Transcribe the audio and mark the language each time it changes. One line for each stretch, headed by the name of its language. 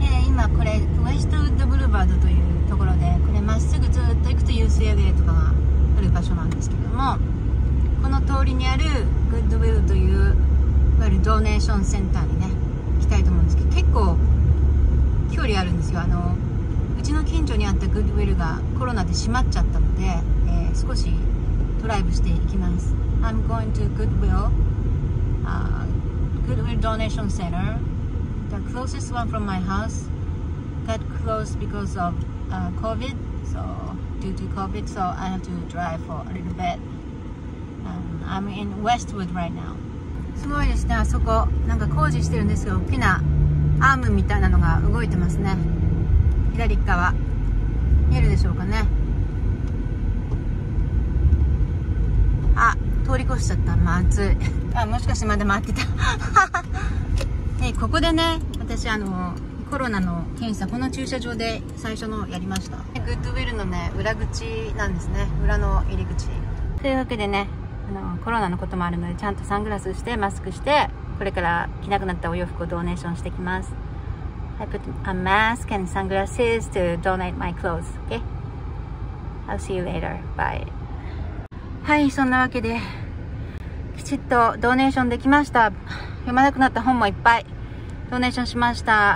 Japanese: 今これウェストウッドブルーバードというところで、これまっすぐずっと行くと UCLA とかがある場所なんですけども、この通りにあるグッドウィルといういわゆるドネーションセンターにね行きたいと思うんですけど、結構距離あるんですよ。あのうちの近所にあったグッドウィルがコロナで閉まっちゃったので、少しドライブしていきます。
English: I'm going to GoodwillGoodwill Donation Center, the closest one from my house, got closed because of COVID. So due to COVID, so I have to drive for a little bit. I'm in Westwood right now.
Japanese: すごいですね。あそこなんか工事してるんですよ。大きなアームみたいなのが動いてますね。左側見えるでしょうかね。あ、通り越しちゃった。まずい。あ、もしかしてまだ待ってた、ここでね、私あのコロナの検査この駐車場で最初のやりました。グッドウィルのね裏口なんですね。裏の入り口というわけでね、あのコロナのこともあるのでちゃんとサングラスしてマスクして、これから着なくなったお洋服をドネーションしてきます。
English: I put a mask and sunglasses to donate my clothes. OK? I'll see you later. Bye.
Japanese: はい、そんなわけできちっとドネーションできました。読まなくなった本もいっぱいドネーションしました。